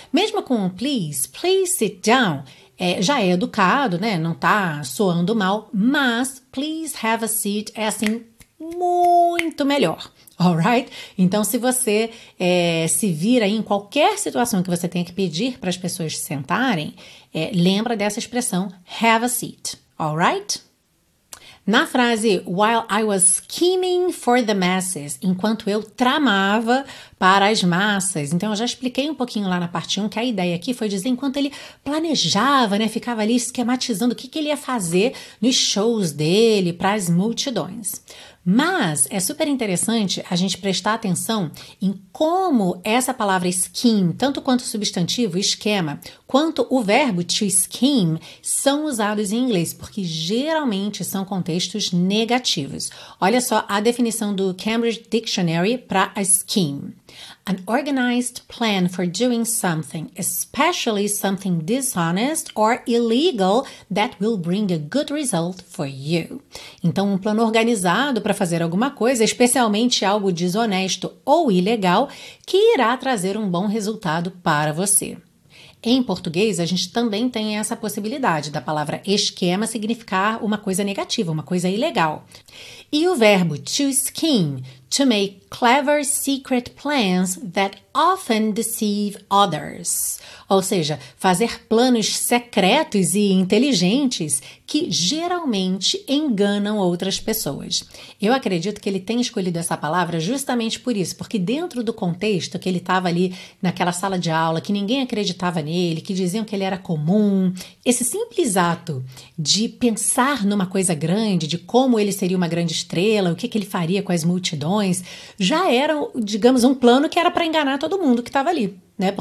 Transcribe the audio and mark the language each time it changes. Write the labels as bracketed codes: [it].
[pt] Mesmo com um [en] please, please sit down, [pt] já é educado, né, não está soando mal, mas [en] please have a seat [pt] é assim, muito melhor, alright? Então, se você se vir aí em qualquer situação que você tenha que pedir para as pessoas sentarem, lembra dessa expressão, have a seat, alright? Na frase, [en] while I was scheming for the masses, [pt] enquanto eu tramava para as massas. Então, eu já expliquei um pouquinho lá na parte 1 que a ideia aqui foi dizer enquanto ele planejava, né? Ficava ali esquematizando o que ele ia fazer nos shows dele para as multidões. Mas é super interessante a gente prestar atenção em como essa palavra scheme, tanto quanto o substantivo, esquema, quanto o verbo to scheme, são usados em inglês, porque geralmente são contextos negativos. Olha só a definição do Cambridge Dictionary para a scheme. [en] An organized plan for doing something, especially something dishonest or illegal, that will bring a good result for you. [pt] Então, um plano organizado para fazer alguma coisa, especialmente algo desonesto ou ilegal, que irá trazer um bom resultado para você. Em português, a gente também tem essa possibilidade da palavra esquema significar uma coisa negativa, uma coisa ilegal. E o verbo [en] to scheme, to make clever secret plans that often deceive others. [pt] Ou seja, fazer planos secretos e inteligentes que geralmente enganam outras pessoas. Eu acredito que ele tenha escolhido essa palavra justamente por isso, porque dentro do contexto que ele estava ali naquela sala de aula, que ninguém acreditava nele, que diziam que ele era comum, esse simples ato de pensar numa coisa grande, de como ele seria uma grande estrela, o que ele faria com as multidões, já era, digamos, um plano que era para enganar todo mundo que estava ali, né?